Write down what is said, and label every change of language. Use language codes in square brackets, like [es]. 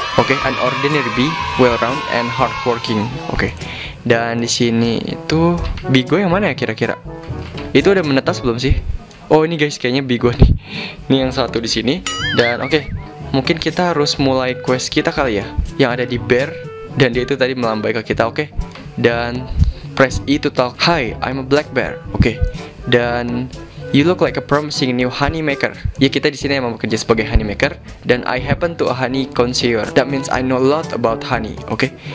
[en] Oke, an ordinary bee, well round and hardworking. [id] Oke. Dan di sini itu bee gue yang mana ya kira-kira? Itu udah menetas belum sih? Oh, ini guys kayaknya bee gue nih. Ini yang satu di sini. Dan oke. Mungkin kita harus mulai quest kita kali ya, yang ada di bear. Dan dia itu tadi melambai ke kita, oke. Dan [en] press E to talk. Hi, I'm a black bear. Oke. Dan you look like a promising new honey maker. [id] Ya, kita di sini emang bekerja sebagai honey maker. [en] Dan I happen to a honey connoisseur. That means I know a lot about honey, oke.